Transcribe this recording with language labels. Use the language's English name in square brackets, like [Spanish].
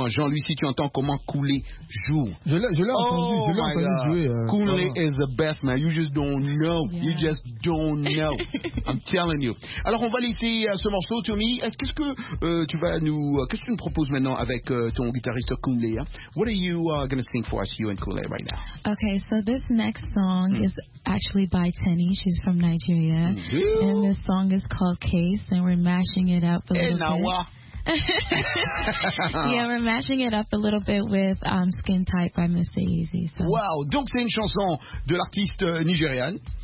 [French] Hein. Jean-Louis, si tu entends comment Kunle joue. Je l'ai entendu jouer. [English] Kunle is the best, man. You just don't know. Yeah. You just don't know. I'm telling you. [French] Alors, on va laisser ce morceau, Tommy. Qu'est-ce que tu nous proposes maintenant avec ton guitariste Kunle? Hein? [English] What are you going to sing for us, you and Kunle, right now? Okay, so this next song is actually by Tenny. She's from Nigeria. Yeah. And this song is called Case, and we're mashing it up a little bit. Yeah, we're mashing it up a little bit with Skin Tight by Mr. Easy. So. [French] Wow, donc c'est une chanson de l'artiste nigériane.